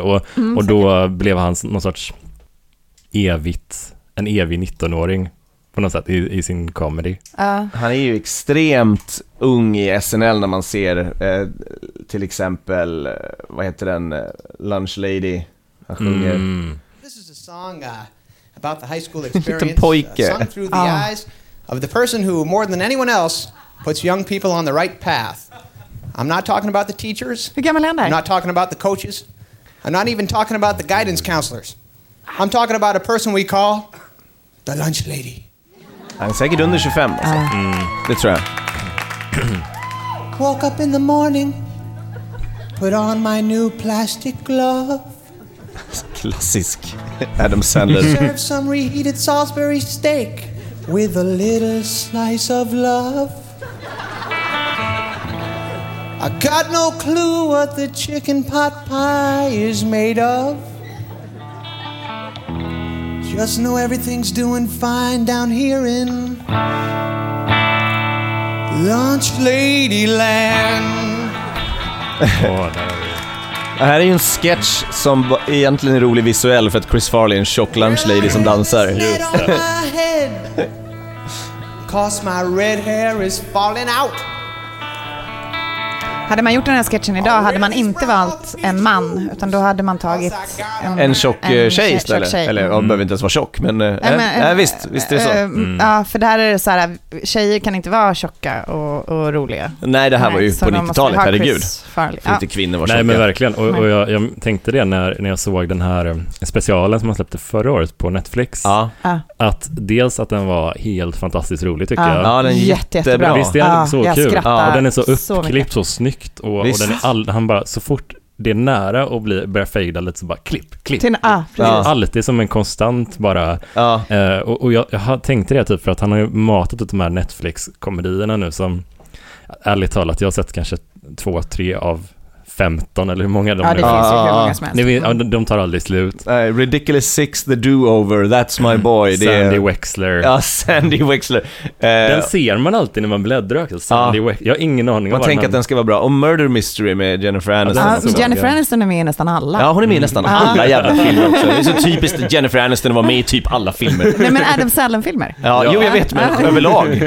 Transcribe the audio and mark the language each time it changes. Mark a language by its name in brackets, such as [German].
[Swedish] Och då blev han någon sorts en evig 19-åring på något sätt i sin comedy. Han är ju extremt ung i SNL när man ser till exempel, vad heter den, Lunch Lady. Han sjunger. [English] This is a song about the high school experience. Sung through the eyes of the person who more than anyone else puts young people on the right path. I'm not talking about the teachers. [Swedish] Hur gammal är han där? [English] I'm not talking about the coaches. I'm not even talking about the guidance counselors. I'm talking about a person we call the lunch lady. [Swedish] Han är säkert under 25. Det tror jag. [English] Woke up in the morning, put on my new plastic glove. [Swedish] Klassisk Adam Sandler. [English] Serve some reheated Salisbury steak with a little slice of love. I got no clue what the chicken pot pie is made of. Just know everything's doing fine down here in Lunch Lady Land. [Swedish] Det här är ju en sketch som egentligen är rolig visuell, för att Chris Farley är en tjock lunch lady som dansar. [English] Cause my red hair is falling out. [Swedish] Hade man gjort den här sketchen idag hade man inte valt en man, utan då hade man tagit en tjock tjej istället. Eller hon behöver inte ens vara tjock, men visst är det så. Ja, för det här är det så här, tjejer kan inte vara tjocka och roliga. Nej, det här var ju på 90-talet, herregud. Inte kvinnor var tjocka. Nej, men verkligen. Och jag tänkte det när jag såg den här specialen som han släppte förra året på Netflix. Ja. Att dels att den var helt fantastiskt rolig, tycker jag. Ja, den är jättebra. Visst, den är så kul. Ja, den är så uppklippt så snygg. Och den är han bara, så fort det är nära och börjar fejda lite, så bara klipp. Alltid som en konstant bara. Och jag tänkte det typ, för att han har ju matat ut de här Netflix-komedierna nu, som ärligt talat, jag har sett kanske 2-3 av 15 eller hur många de ja, är. Det finns ju hur många som helst. De tar aldrig slut. [English] Ridiculous Six, The Do-Over, That's My Boy. [Swedish] Det är... Sandy Wexler. Ja, Sandy Wexler. Den ser man alltid när man bläddrar. Sandy Wexler. Jag har ingen aning. Man tänker att den ska vara bra. Och Murder Mystery med Jennifer Aniston. Jennifer Aniston är med i nästan alla. Ja, hon är med i nästan alla jävla filmer också. Det är så typiskt Jennifer Aniston var med i typ alla filmer. Nej, men Adam Sandler-filmer. Ja, jo, jag vet, men överlag.